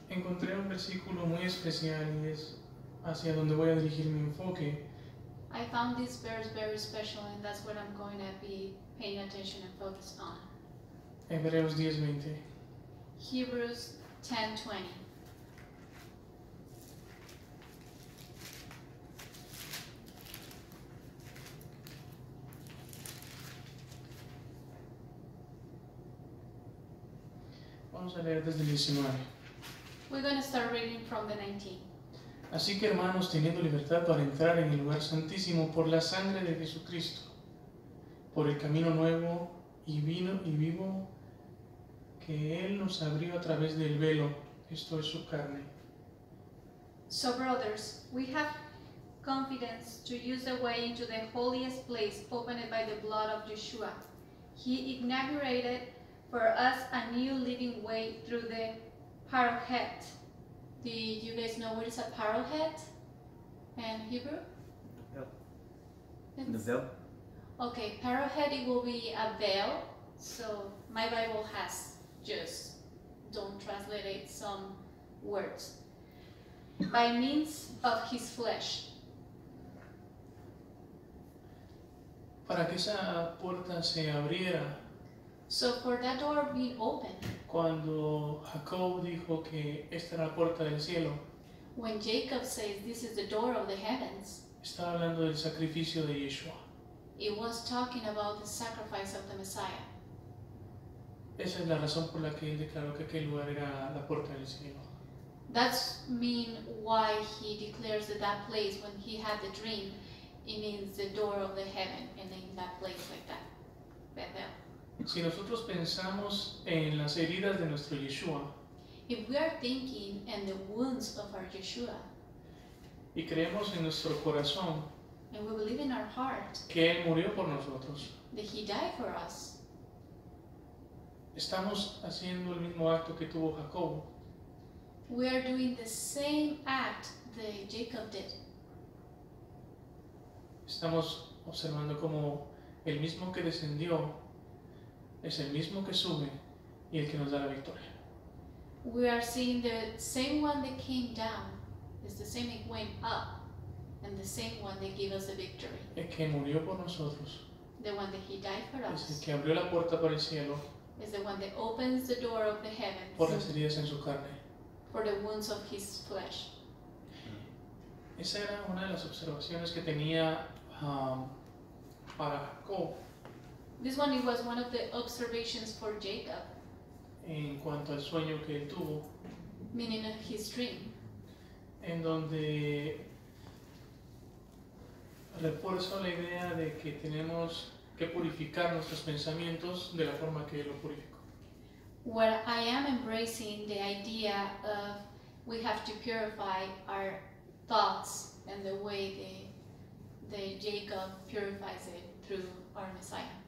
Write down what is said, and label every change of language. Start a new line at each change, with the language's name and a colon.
Spanish: encontré un versículo muy especial y es hacia donde voy a dirigir mi enfoque.
English: I found this verse very special and that's what I'm going to be paying attention and focus on.
Spanish: Hebreos 10:20.
English: Hebrews 10:20.
Spanish: Vamos a leer desde el 19.
English: We're going to start reading from the 19.
Spanish: Así que hermanos, teniendo libertad para entrar en el lugar santísimo por la sangre de Jesucristo, por el camino nuevo y vino y vivo que Él nos abrió a través del velo, esto es su carne.
English: So brothers, we have confidence to use the way into the holiest place opened by the blood of Yeshua. He inaugurated for us a new living way through the parochet. Do you guys know what is a parochet in Hebrew? The veil. Okay, parochet, it will be a veil. So my Bible has just don't translate it some words. By means of his flesh.
Spanish: Para que esa puerta se abriera.
English: So for that door being open,
Spanish: cuando Jacob dijo que esta era la puerta del cielo,
English: when Jacob says this is the door of the heavens,
Spanish: estaba hablando del sacrificio de Yeshua.
English: It was talking about the sacrifice of the Messiah.
Spanish: Esa es la razón por la que él declaró que aquel lugar era la puerta del cielo.
English: That's mean why he declares that that place, when he had the dream, it means the door of the heaven, and in that place like that, Bethel.
Spanish: Si nosotros pensamos en las heridas de nuestro Yeshua,
English: if we are thinking in the wounds of our Yeshua,
Spanish: y creemos en nuestro corazón,
English: and we believe in our heart,
Spanish: que Él murió por nosotros,
English: that He died for us,
Spanish: estamos haciendo el mismo acto que tuvo Jacob.
English: We are doing the same act that Jacob did.
Spanish: Estamos observando cómo el mismo que descendió es el mismo que sube y el que nos da la victoria.
English: We are seeing the same one that came down is the same that went up and the same one that gave us the victory.
Spanish: El que murió por nosotros,
English: the one that he died for us,
Spanish: es el que abrió la puerta para el cielo,
English: is the one that opens the door of the heavens,
Spanish: por las heridas en su carne,
English: for the wounds of his flesh.
Spanish: Esa era una de las observaciones que tenía para Jacob.
English: This one, it was one of the observations for Jacob.
Spanish: En cuanto al sueño que él tuvo.
English: Meaning of his dream.
Spanish: En donde refuerzo la idea de que tenemos que purificar nuestros pensamientos de la forma que él lo purificó.
English: Where I am embracing the idea of we have to purify our thoughts and the way the Jacob purifies it through our Messiah.